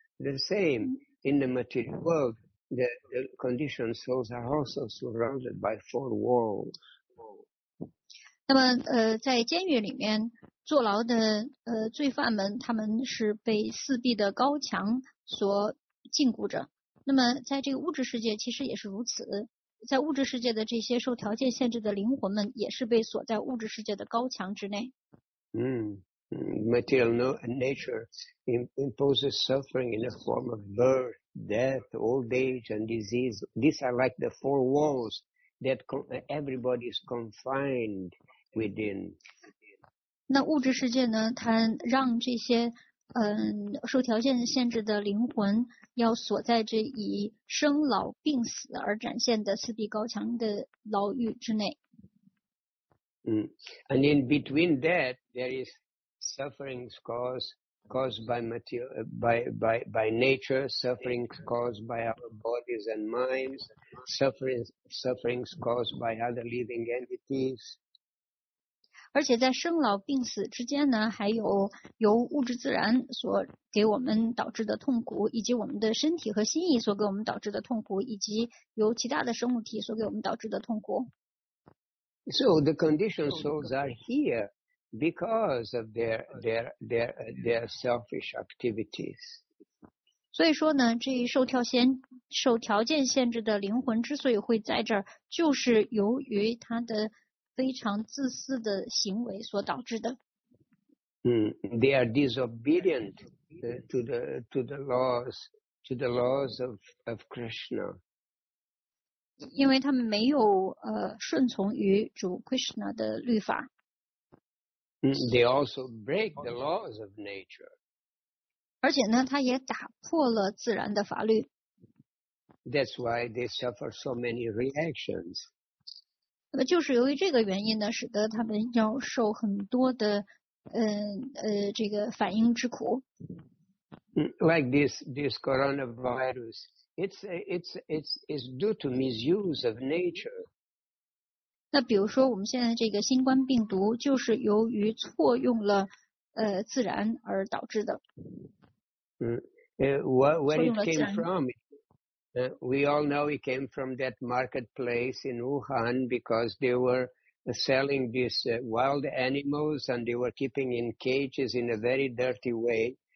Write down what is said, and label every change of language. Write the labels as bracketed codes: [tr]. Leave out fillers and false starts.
[en] The same in the material world, the conditioned souls are also surrounded by four walls. [zh] 那么在监狱里面，坐牢的罪犯们，他们是被四壁的高墙所禁锢着。那么在这个物质世界其实也是如此，在物质世界的这些受条件限制的灵魂们也是被锁在物质世界的高墙之内。 [en] material nature imposes suffering in the form of birth, death, old age, and disease. These are like the four walls that everybody is confined within. [zh] 那物质世界呢，它让这些受条件限制的灵魂要锁在这以生老病死而展现的四壁高墙的牢狱之内。 [en] And in between that, there is suffering caused by material, by nature, suffering caused by our bodies and minds, suffering caused by other living entities. [zh] 而且在生老病死之间呢，还有由物质自然所给我们导致的痛苦，以及我们的身体和心意所给我们导致的痛苦，以及由其他的生物体所给我们导致的痛苦。 [en] So the conditioned souls are here because of their selfish activities. [zh] 所以说呢，这一受条件限制的灵魂之所以会在这儿，就是由于他的非常自私的行为所导致的。 [en] They are disobedient to the laws of Krishna. [zh] 因为他们没有顺从于主 Krishna 的律法。 [en] They also break the laws of nature. [zh] 而且呢，他也打破了自然的法律。 [en] That's why they suffer so many reactions. [zh] 那么就是由于这个原因呢，使得他们要受很多的这个反应之苦。 [en] Like this coronavirus. It's due to misuse of nature. [zh] 那比如说，我们现在这个新冠病毒就是由于错用了自然而导致的。 [en] Where it came from? We all know it came from that marketplace in Wuhan because they were selling these wild animals and they were keeping in cages in a very dirty way.